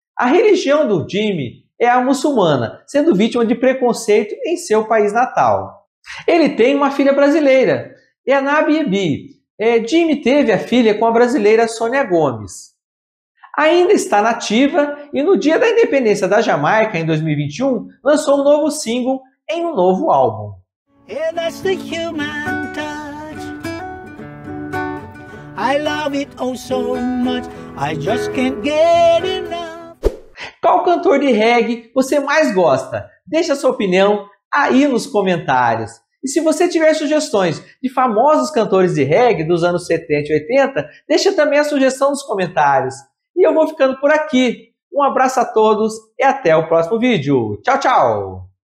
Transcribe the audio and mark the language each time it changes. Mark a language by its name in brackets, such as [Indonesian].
[Portuguese] A religião do Jimmy é a muçulmana, sendo vítima de preconceito em seu país natal. Ele tem uma filha brasileira, é a Nabi Ebi. Jimmy teve a filha com a brasileira Sônia Gomes. Ainda está nativa e no dia da independência da Jamaica, em 2021, lançou um novo single em um novo álbum. [English] Yeah, that's the human touch. I love it oh so much. I just can't get enough. Qual [Portuguese] Qual cantor de reggae você mais gosta? Deixa sua opinião aí nos comentários. E se você tiver sugestões de famosos cantores de reggae dos anos 70 e 80, deixa também a sugestão nos comentários. E eu vou ficando por aqui. Um abraço a todos e até o próximo vídeo. Tchau, tchau!